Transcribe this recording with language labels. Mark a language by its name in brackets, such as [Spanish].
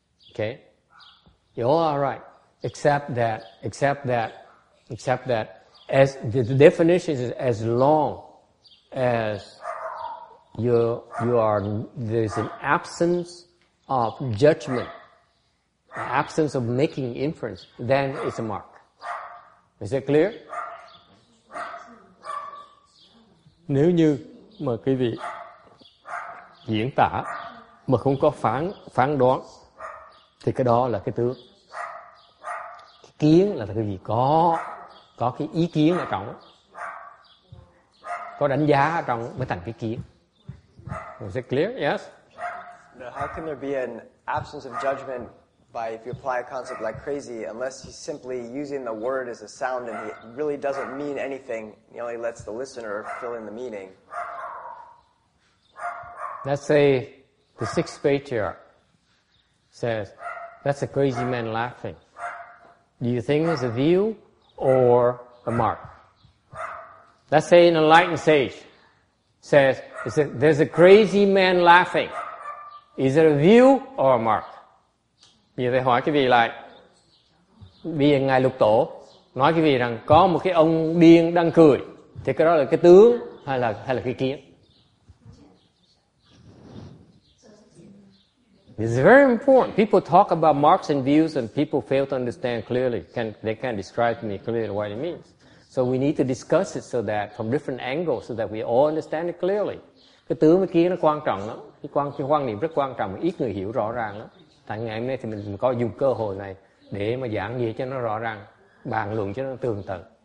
[English] Okay? You all are right. Except that, as the definition is as long as you are, there's an absence of judgment, an absence of making inference, then it's a mark. Is that clear? [Vietnamese] Nếu như mà quý vị diễn tả mà không có phán đoán, thì cái đó là cái tướng. Cái kiến là quý vị có cái ý kiến ở trong, có đánh giá trong mới thành cái kiến. [English] Is it clear? Yes. Now, how can there be an absence of judgment by if you apply a concept like crazy unless he's simply using the word as a sound and he really doesn't mean anything, he only lets the listener fill in the meaning? Let's say the sixth patriarch says, that's a crazy man laughing. Do you think it's a view or a mark? Let's say an enlightened sage says, there's a crazy man laughing. Is it a view or a mark? [Vietnamese] Bây giờ thầy hỏi cái vị lại. Bây giờ Ngài Lục Tổ nói cái gì rằng có một cái ông điên đang cười thì cái đó là cái tướng hay là cái kiến. [English] It's very important. People talk about marks and views and people fail to understand clearly. They can't describe to me clearly what it means. So we need to discuss it so that from different angles so that we all understand it clearly. [Vietnamese] Cái tướng với kiến nó quan trọng lắm. Cái quan niệm rất quan trọng. Ít người hiểu rõ ràng lắm. Tại ngày hôm nay thì mình có dùng cơ hội này để mà giảng nghĩa cho nó rõ ràng, bàn luận cho nó tường tận.